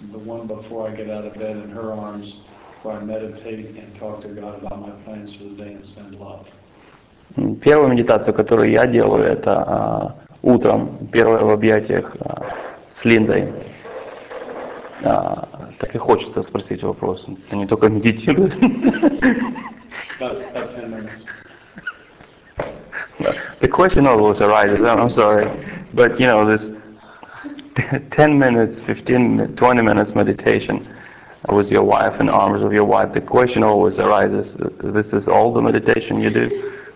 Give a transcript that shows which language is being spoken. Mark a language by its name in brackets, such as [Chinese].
[English] The one before I get out of bed in her arms, where I meditate and talk to God about my plans for the day and send love. [Russian] Первую медитацию, которую я делаю, это утром, первое в объятиях с Линдой. Так и хочется спросить вопрос. Ты не только медитируешь. [English] About 10 minutes. The question always arises, I'm sorry, but you know, this 10 minutes, 15, 20 minutes meditation with your wife, in the arms of your wife, the question always arises, this is all the meditation you do?